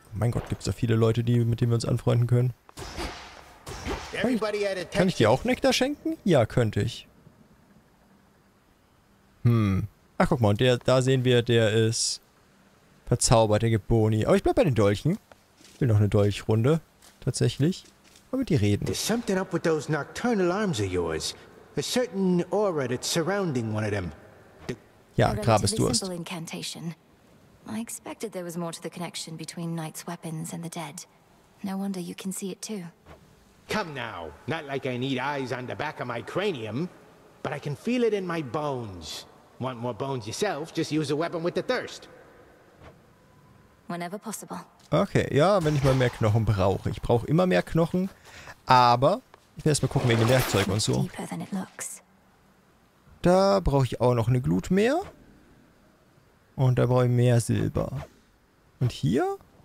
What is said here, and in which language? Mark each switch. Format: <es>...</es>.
<de>Mein Gott, gibt es da viele Leute, die mit denen wir uns anfreunden können. Kann ich dir auch Nektar schenken? Ja, könnte ich. Ach, guck mal, und da sehen wir, der ist verzaubert, der gibt Boni. Aber ich bleib bei den Dolchen. Ich will noch eine Dolchrunde, tatsächlich. Aber mit dir reden.</de> <en>There's something up with those nocturnal arms of yours. A certain aura that's surrounding one of them.</en> <de>Ja, Grabesdurst.</de> <en>I expected there was more to the connection between Knight's weapons and the dead. No wonder you can see it too. Come now, not like I need eyes on the back of my cranium, but I can feel it in my bones. Want more bones yourself, just use a weapon with the thirst. Whenever possible.</en> <de>Okay, ja, wenn ich mal mehr Knochen brauche. Ich brauche immer mehr Knochen, aber ich werde erst mal gucken wegen dem Werkzeug und so. Da brauche ich auch noch eine Glut mehr. Und da brauche ich mehr Silber. Und hier?</de>